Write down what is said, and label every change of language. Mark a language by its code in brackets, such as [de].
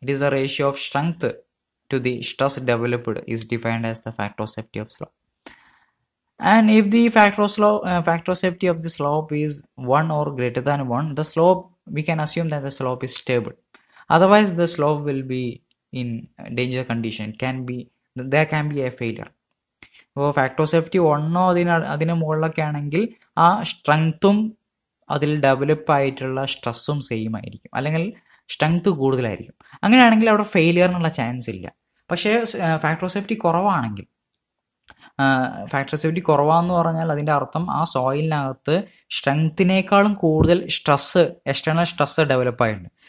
[en] It is the ratio of strength to the stress developed is defined as the factor of safety of slope. And if the factor of safety of the slope is one or greater than one, the slope we can assume that the slope is stable, otherwise the slope will be in danger condition can be there can be a failure. [ml] അപ്പോൾ factor of safety ഒന്നോ അതിന് മുകളിലൊക്കെ ആണെങ്കിൽ ആ സ്ട്രെങ്ത്തും അതിൽ ഡെവലപ്പായിട്ടുള്ള സ്ട്രെസ്സും same ആയിരിക്കും, അല്ലെങ്കിൽ സ്ട്രെങ്ത് കൂടുതലായിരിക്കും. അങ്ങനെയാണെങ്കിൽ അവിടെ ഫെയിലിയറിനുള്ള ചാൻസ് ഇല്ല. പക്ഷേ ഫാക്ടർ ഓഫ് സേഫ്റ്റി കുറവാണെങ്കിൽ, ഫാക്ടർ ഓഫ് സേഫ്റ്റി കുറവാന്ന് പറഞ്ഞാൽ അതിൻ്റെ അർത്ഥം ആ സോയിലിനകത്ത് സ്ട്രെങ്ത്തിനേക്കാളും കൂടുതൽ സ്ട്രെസ്സ്, എക്സ്റ്റേണൽ സ്ട്രെസ് ഡെവലപ്പായിട്ടുണ്ട്.